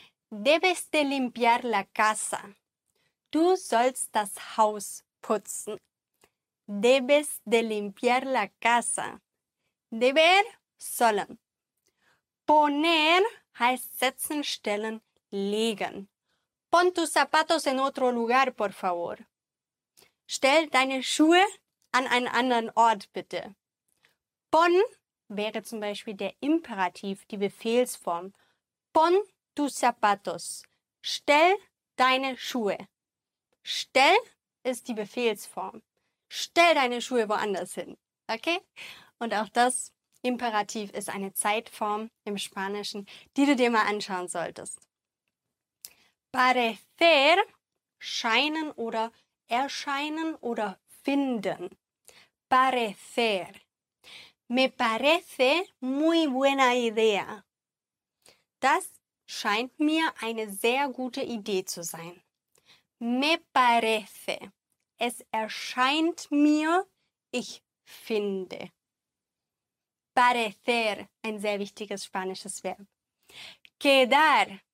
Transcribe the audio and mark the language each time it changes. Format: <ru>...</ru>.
<es>Debes de limpiar la casa.</es> <de>Du sollst das Haus putzen.</de> <es>Debes de limpiar la casa. Deber, sollen.</es> <de>Poner heißt setzen, stellen, legen.</de> <es>Pon tus zapatos en otro lugar, por favor.</es> <de>Stell deine Schuhe an einen anderen Ort, bitte. Pon wäre zum Beispiel der Imperativ, die Befehlsform.</de> <es>Pon tus zapatos.</es> <de>Stell deine Schuhe. Stell ist die Befehlsform. Stell deine Schuhe woanders hin. Okay? Und auch das Imperativ ist eine Zeitform im Spanischen, die du dir mal anschauen solltest. Parecer, scheinen oder erscheinen oder finden.</de> <es>Parecer. Me parece muy buena idea.</es> <de>Das scheint mir eine sehr gute Idee zu sein.</de> <es>Me parece.</es> <de>Es erscheint mir, ich finde. Parecer, ein sehr wichtiges spanisches Verb. Quedar.</de>